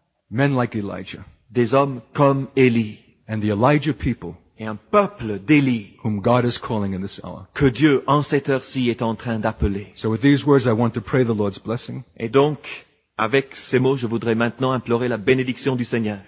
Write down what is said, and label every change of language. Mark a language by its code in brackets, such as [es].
[en] Men like Elijah. [fr] Des hommes comme Élie. [en] And the Elijah people. [fr] Et un peuple d'Élie, [en] whom God is calling in this hour. [fr] Que Dieu en cette heure-ci est en train d'appeler. [en] So with these words, I want to pray the Lord's blessing. [fr] Et donc, avec ces mots, je voudrais maintenant implorer la bénédiction du Seigneur.